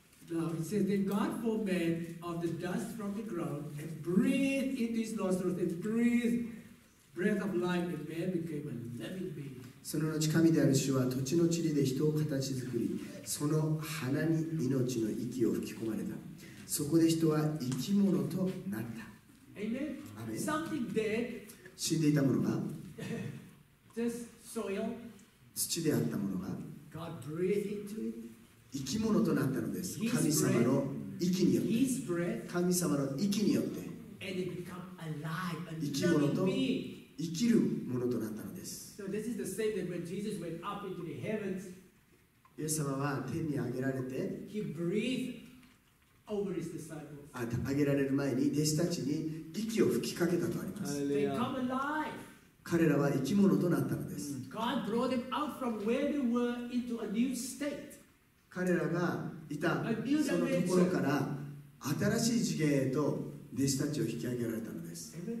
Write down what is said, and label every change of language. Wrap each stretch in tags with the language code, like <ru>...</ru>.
<en>Now it says that God formed of the dust from the ground and breathed into his nostrils and breathed breath of life and man became a living being.</en> <ja>その後神である主は土地の塵で人を形作り、その鼻に命の息を吹き込まれた。そこで人は生き物となった。</ja> <en>Amen.</en> <ja>アーメン。</ja> <en>Something dead.</en> <ja>死んでいたものが、</ja> <en>just soil.</en> <ja>土であったものが、</ja> <en>God breathed into it.</en> <ja>生き物となったのです。神様の息によって、</ja> <en>His breath.</en> <ja>神様の息によって、</ja> <en>and it become alive.</en> <ja>生き物と生きるものとなったのです。</ja> <en>So this is the same that when Jesus went up into the heavens,</en> <ja>イエス様は天に上げられて、</ja> <en>He breathed over his disciples.</en> <ja>上げられる前に弟子たちに息を吹きかけたとあります。</ja> <en>They come alive.</en> <ja>彼らは生き物となったのです。</ja> <en>God brought them out from where they were into a new state.</en> <ja>彼らがいたそのところから新しい次元へと弟子たちを引き上げられたのです。</ja>